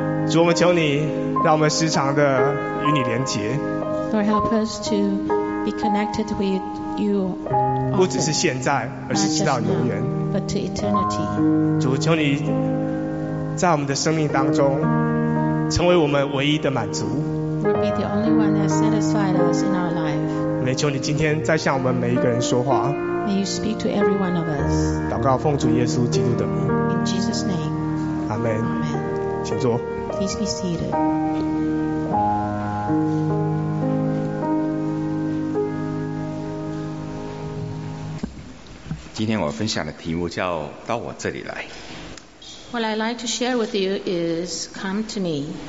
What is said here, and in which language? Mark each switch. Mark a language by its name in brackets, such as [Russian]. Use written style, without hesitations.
[Chinese] 主，我们求你让我们时常的与你连结。 [English] Lord, help us to be connected with you. [Chinese] 不只是现在，而是直到永远。 [English] But to eternity. [Chinese] 主，求你在我们的生命当中，成为我们唯一的满足。 [English] Will be the only one that satisfied us in our life. [Chinese] 我们求你今天再向我们每一个人说话。 [English] May you speak to every one of us. [Chinese] 祷告奉主耶稣基督的名。 [English] In Jesus' name. Amen. Amen. [Chinese] 请坐。 [English] Please be seated. Today [Chinese] 我分享的题目叫到我这里来。 [English] What I'd like to share with you is come to me.